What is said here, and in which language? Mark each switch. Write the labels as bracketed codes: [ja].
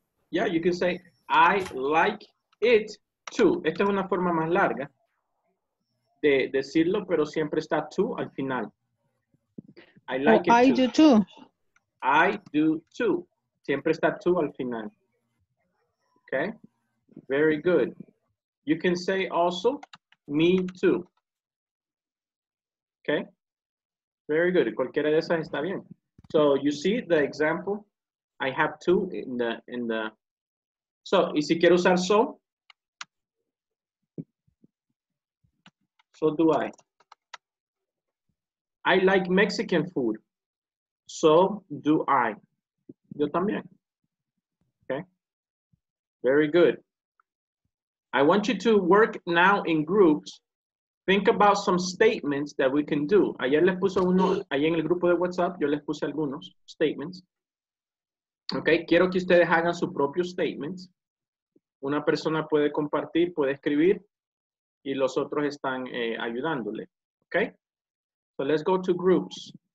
[en] Yeah, you can say, I like it too. [es] Esta es una forma más larga de decirlo, pero siempre está to al final. [en] I like it too. I do too. I do too. [es] Siempre está to al final. [en] Okay, very good. You can say also, me too. Okay? Very good. [es] Cualquiera de esas está bien. [en] So you see the example? I have two in the. So, [es] y si quiero usar so? [en] So do I. I like Mexican food. So do I. [es] Yo también. [en] Okay? Very good. I want you to work now in groups. Think about some statements that we can do. [es] Ayer les puse uno ahí en el grupo de WhatsApp. Yo les puse algunos statements. Okay, quiero que ustedes hagan sus propios statements. Una persona puede compartir, puede escribir, y los otros están ayudándole. [en] Okay? So let's go to groups.